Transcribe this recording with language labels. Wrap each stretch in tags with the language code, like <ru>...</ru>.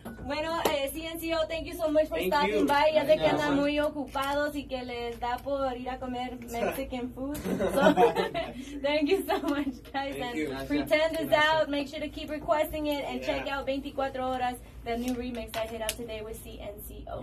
<en>Bueno, CNCO, thank you so much for stopping by.</en> <es>Ya sé que andan muy ocupados y que les da por ir a comer Mexican food.</es> <en>So, thank you so much, guys. Thank and you. Pretend is out. Make sure to keep requesting it and check out 24 Horas, the new remix that hit out today with CNCO.</en>